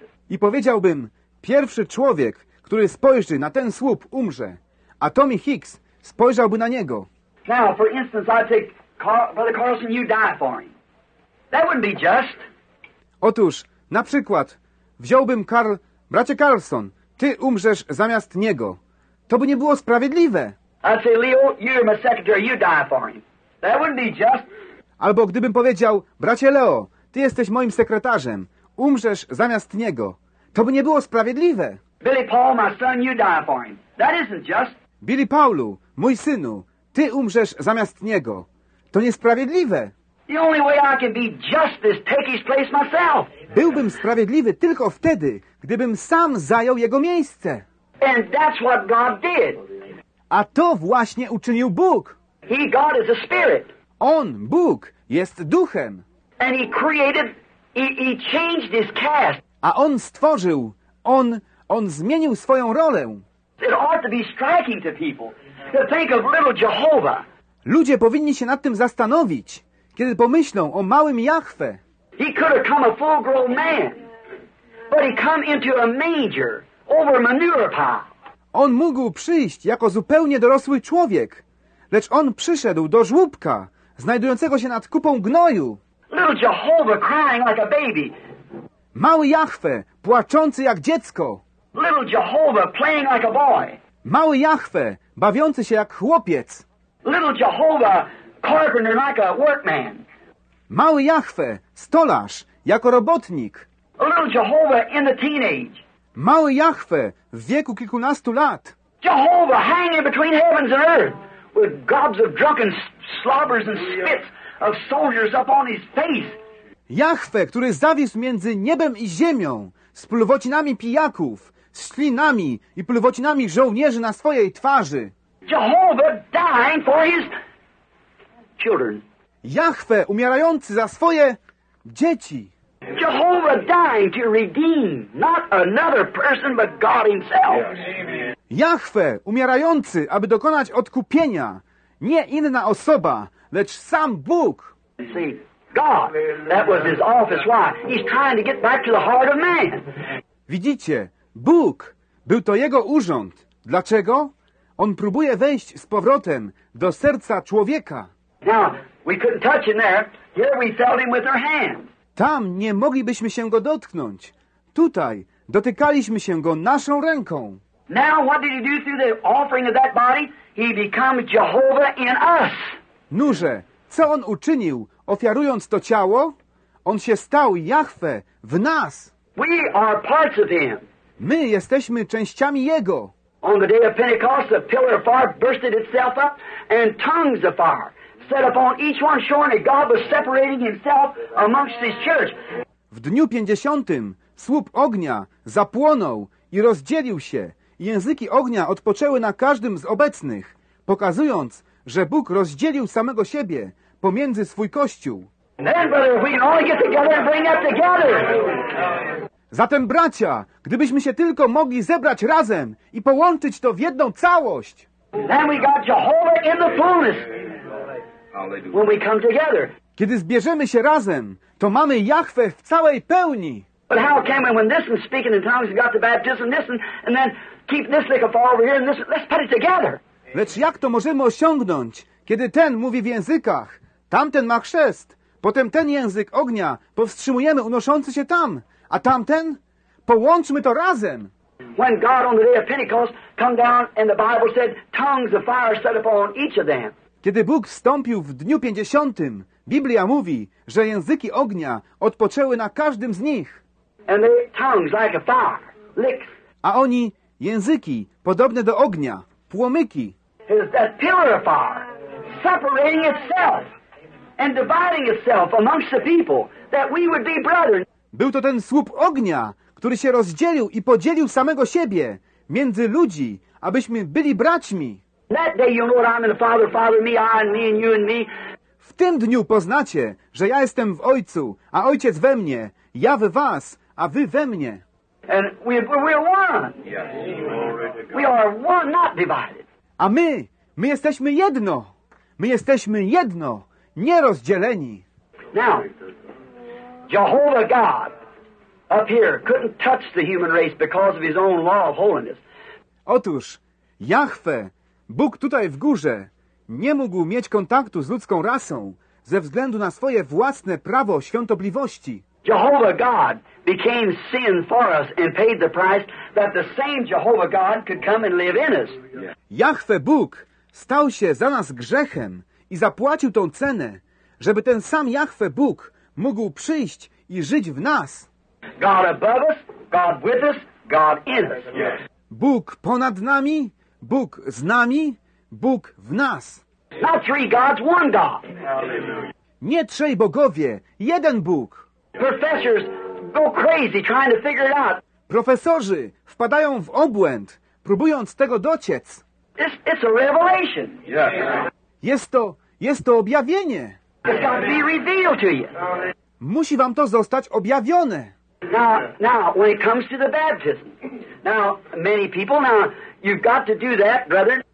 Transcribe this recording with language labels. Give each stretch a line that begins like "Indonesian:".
Polish: I powiedziałbym, pierwszy człowiek, który spojrzy na ten słup, umrze, a Tommy Hicks spojrzałby na niego.
English: Now, for instance, I'd say, Brother Carlson, you die for him. That wouldn't be just.
Polish: Otóż, na przykład, wziąłbym Carl, bracie Carlson, ty umrzesz zamiast niego. To by nie było sprawiedliwe.
English: I'd say, Leo, you're my secretary, you die for him. That wouldn't be just.
Polish: Albo gdybym powiedział, bracie Leo, ty jesteś moim sekretarzem, umrzesz zamiast niego. To by nie było sprawiedliwe.
English: Billy Paul, my son, you die for him. That isn't just.
Polish: Billy Paulu, mój synu, Ty umrzesz zamiast niego. To niesprawiedliwe.
English: The only way I can be just is take his place myself.
Polish: Byłbym sprawiedliwy tylko wtedy, gdybym sam zajął jego miejsce.
English: And that's what God did.
Polish: A to właśnie uczynił Bóg.
English: He, God, is a spirit.
Polish: On, Bóg, jest duchem.
English: And he created, he changed his cast.
Polish: A on stworzył, on zmienił swoją rolę.
English: It ought to be striking to people to think of little Jehovah.
Polish: Ludzie powinni się nad tym zastanowić, kiedy pomyślą o małym Jahwe.
English: He could have come a full-grown man, but he come into a manger over a manure pile.
Polish: On mógł przyjść jako zupełnie dorosły człowiek, lecz on przyszedł do żłóbka, znajdującego się nad kupą gnoju.
English: Little Jehovah crying like a baby.
Polish: Mały Jahwe, płaczący jak dziecko.
English: Little Jehovah playing like a boy.
Polish: Mały Jahwe, bawiący się jak chłopiec.
English: Little Jehovah carpenter like a workman.
Polish: Mały Jahwe, stolarz, jako robotnik.
English: Little Jehovah in the teenage.
Polish: Mały Jahwe, w wieku kilkunastu lat.
English: Jehovah hanging between heavens and earth with gobs of drunken slobbers and spits of soldiers up on his face.
Polish: Jahwe, który zawisł między niebem i ziemią, z pulwocinami pijaków, z ślinami i pulwocinami żołnierzy na swojej twarzy.
English: Jehovah dying for his children.
Polish: Jahwe umierający za swoje dzieci.
English: Jehovah dying to redeem not another person but God himself.
Polish: Jahwe umierający, aby dokonać odkupienia, nie inna osoba, lecz sam Bóg.
English: See, God, that was his office. Why? He's trying to get back to the heart of man.
Polish: Widzicie, Bóg był to jego urząd. Dlaczego? On próbuje wejść z powrotem do serca człowieka.
English: Now, we couldn't touch him there. Here we felt him with our hands.
Polish: Tam nie moglibyśmy się go dotknąć. Tutaj dotykaliśmy się go naszą ręką.
English: Now, what did he do through the offering of that body? He becomes Jehovah in us.
Polish: Nuże, co on uczynił, ofiarując to ciało? On się stał Jahwe w nas.
English: We are parts of him.
Polish: My jesteśmy częściami jego.
English: On the day of Pentecost, the pillar of fire bursted itself up and tongues of fire set upon each one, showing that God was separating himself amongst his church.
Polish: W dniu pięćdziesiątym słup ognia zapłonął i rozdzielił się. Języki ognia odpoczęły na każdym z obecnych, pokazując, że Bóg rozdzielił samego siebie pomiędzy swój Kościół.
English: Then, brother, we can only get together and bring that together.
Polish: Zatem, bracia, gdybyśmy się tylko mogli zebrać razem i połączyć to w jedną całość.
English: Then we got Jehovah in the fullness. When we come together.
Polish: Kiedy zbierzemy się razem, to mamy Jahwe w całej pełni.
English: But how came when this one's speaking in tongues and got the baptism, this one, and then keep this little fall over here and this, let's put it together.
Polish: Lecz jak to możemy osiągnąć, kiedy ten mówi w językach, tamten ma chrzest, potem ten język ognia powstrzymujemy unoszący się tam, a tamten? Połączmy to razem.
English: When God on the day of Pentecost come down and the Bible said tongues of fire set upon each of them.
Polish: Kiedy Bóg wstąpił w dniu pięćdziesiątym, Biblia mówi, że języki ognia odpoczęły na każdym z nich.
English: And they, tongues like a fire, licks.
Polish: A oni, języki podobne do ognia, płomyki.
English: Is that pillar of fire separating itself and dividing itself amongst the people that we would be brethren.
Polish: Był to ten słup ognia, który się rozdzielił i podzielił samego siebie między ludzi, abyśmy byli braćmi.
English: That day you know what I'm in the Father, Father me, I and me and you and me.
Polish: W tym dniu poznacie, że ja jestem w Ojcu, a Ojciec we mnie, ja w was, a wy we mnie.
English: And we are one. Yes. We are one, not divided.
Polish: A my jesteśmy jedno. My jesteśmy jedno, nie rozdzieleni.
English: Now, Jehovah God up here couldn't touch the human race because of his own law of holiness.
Polish: Otóż, Jahwe, Bóg tutaj w górze, nie mógł mieć kontaktu z ludzką rasą ze względu na swoje własne prawo świątobliwości.
English: Jehovah God became sin for us and paid the price that the same Jehovah God could come and live in us.
Polish: Jahwe Bóg stał się za nas grzechem i zapłacił tą cenę, żeby ten sam Jahwe Bóg mógł przyjść i żyć w nas.
English: God above us, God with us, God in us.
Polish: Bóg ponad nami, Bóg z nami, Bóg w nas.
English: Not three gods, one God.
Polish: Nie trzej bogowie, jeden Bóg.
English: Professors go crazy trying to figure it out.
Polish: Profesorzy wpadają w obłęd, próbując tego dociec.
English: It's a revelation. Yes.
Polish: Jest to objawienie.
English: It's got to be revealed to you.
Polish: Musi wam to zostać objawione.
English: Now, when it comes to the baptism. Now, many people, now, you've got to do that, brother.